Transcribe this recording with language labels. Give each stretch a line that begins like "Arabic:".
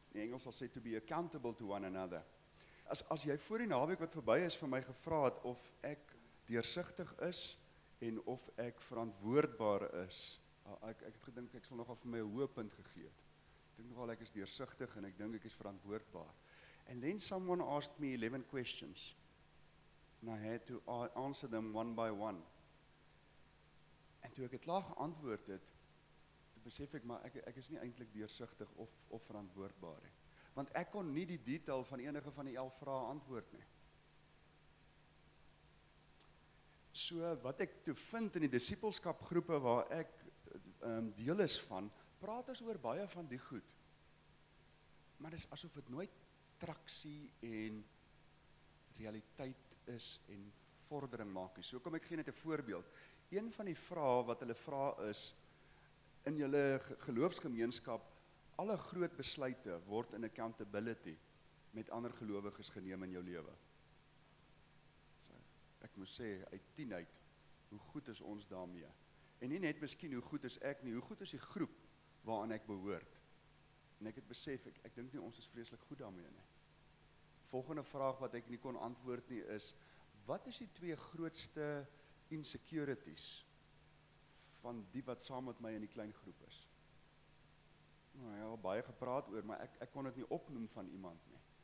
Afrikaans: In Engels sal sê
English: to be accountable to one another.
Afrikaans: As jy voor die naweek wat verby is vir my gevra het of ek deursigtig is en of ek verantwoordbaar is, ek het gedink ek sal nogal vir my 'n hoë punt gegee het. Ek dink nogal ek is deursigtig en ek dink ek is verantwoordbaar.
English: And then someone asked me 11 questions. And I had to answer them one by one.
Afrikaans: En toe ek het klaar geantwoord het, besef ek maar ek is nie eintlik deursigtig of verantwoordbaar nie. Want ek kon nie die detail van enige van die 11 vrae antwoord nie. So wat ek toe vind in die disipelskapgroepe waar ek deel is van, praat ons oor baie van die goed. Maar dis asof dit nooit traksie en realiteit is en vordering maak nie. So kom ek gee net 'n voorbeeld. Een van die vrae wat hulle vra is, in julle geloofsgemeenskap, alle groot besluite word in accountability met ander gelowiges geneem in jou lewe. So, ek moet sê, uit 10 uit, hoe goed is ons daarmee? En nie net miskien hoe goed is ek nie, hoe goed is die groep waaraan ek behoort? En ek het besef, ek dink nie ons is vreeslik goed daarmee nie. Volgende vraag wat ek nie kon antwoord nie is, wat is die twee grootste insecurities van die wat saam met my in die klein groep is? Nou, ja, baie gepraat oor, maar ek kon dit nie opnoem van iemand nie.